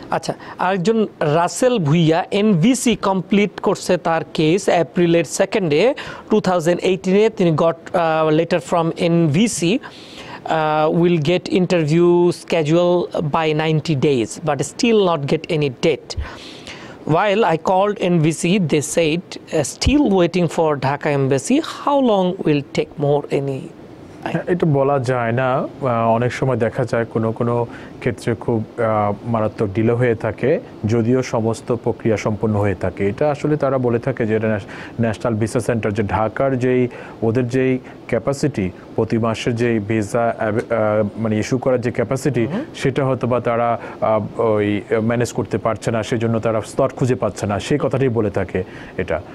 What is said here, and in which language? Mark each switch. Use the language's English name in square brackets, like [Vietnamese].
[Bangla] আচ্ছা, আরেকজন Rasel Bhuiyan, NVC complete করছে তার কেস April 2nd 2018-এ, তিনি [English] Got letter from NVC will get interview schedule by 90 days, but still not get any date. While I called NVC, they said, still waiting for Dhaka Embassy. How long will it take more any? [Bangla] এটা বলা যায় না, অনেক সময় দেখা যায় কোনো কোনো ক্ষেত্রে খুব মারাত্মক ডিলে হয়ে থাকে যদিও সমস্ত প্রক্রিয়া সম্পন্ন হয়ে থাকে। এটা আসলে তারা বলে থাকে যে এটা ন্যাশনাল ভিসা সেন্টার যে ঢাকার যেই ওদের যেই ক্যাপাসিটি প্রতি মাসে যেই ভিসা মানে ইস্যু করার যে ক্যাপাসিটি সেটা হয়তো বা তারা ওই ম্যানেজ করতে পারছে না, সেজন্য তারা স্লট খুঁজে পাচ্ছে না, সেই কথাটাই বলে থাকে এটা।